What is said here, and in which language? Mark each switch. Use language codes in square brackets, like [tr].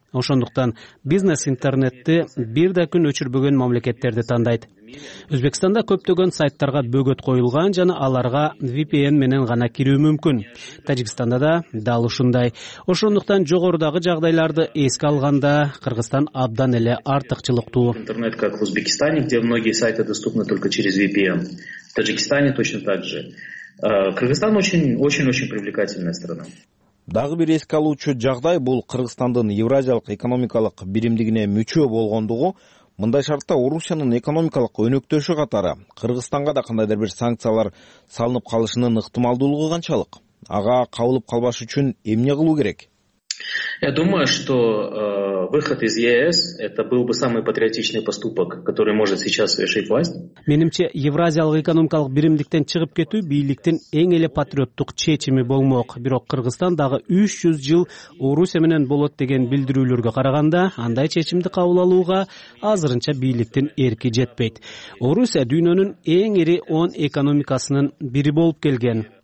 [ky] Ошондуктан бизнес интернетти бир да күн өчүрбөгөн мамлекеттерди тандайт. Өзбекстанда көптөгөн сайттарга бөгөт коюлган жана аларга VPN менен гана кирүү мүмкүн. Тажикстанда да дал ушундай. Ошондуктан жогорудагы жагдайларды эске алганда Кыргызстан абдан эле артыкчылыктуу. [ru] Интернет как в Узбекистане, где многие сайты доступны только через VPN. В Таджикистане точно так же. Кыргызстан очень-очень привлекательная страна. [ky] Дагы бир эске алуучу жагдай бул Кыргызстандын Евразиялык экономикалык биримдигине мүчө болгондугу. Мындай шартта Орусиянын экономикалык өнөктөшү катары Кыргызстанга да кандайдыр бир санкциялар салынып калышынын ыктымалдуулугу канчалык? Ага кабылып калбаш үчүн эмне кылуу керек? [ru] Я думаю, что выход из ЕС это был бы самый патриотичный поступок, который может сейчас совершить власть. [ky] Менимче, Евразиялык экономикалык биримдиктен чыгып кетүү бийликтин эң эле патриоттук чечими болмок. Бирок Кыргызстан дагы 300 жыл Орусия менен болот деген билдирүүлөргө караганда, андай чечимди кабыл алууга азырынча бийликтин эрки жетпейт. Орусия дүйнөнүн эң ири 10 экономикасынын бири болуп келген.